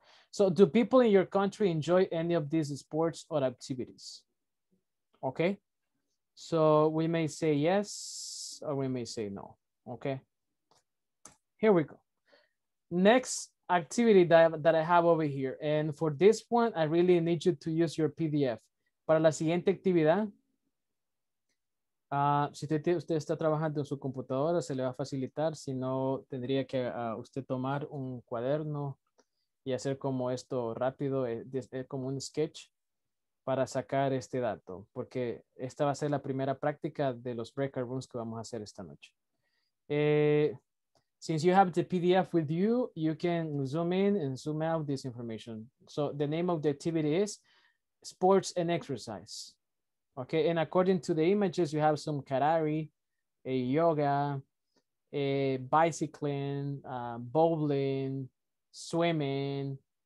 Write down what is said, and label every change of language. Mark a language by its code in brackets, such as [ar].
[en] So do people in your country enjoy any of these sports or activities? Okay, so we may say yes or we may say no, okay? Here we go. Next activity that I have over here. And for this one, I really need you to use your PDF. [es] Para la siguiente actividad, si usted está trabajando en su computadora, se le va a facilitar. Si no, tendría que usted tomar un cuaderno y hacer como esto rápido, como un sketch para sacar este dato. Porque esta va a ser la primera práctica de los breakout rooms que vamos a hacer esta noche. [en] Since you have the PDF with you, you can zoom in and zoom out this information. So the name of the activity is sports and exercise. Okay, and according to the images, you have some karate, a yoga, a bicycling, bowling, swimming.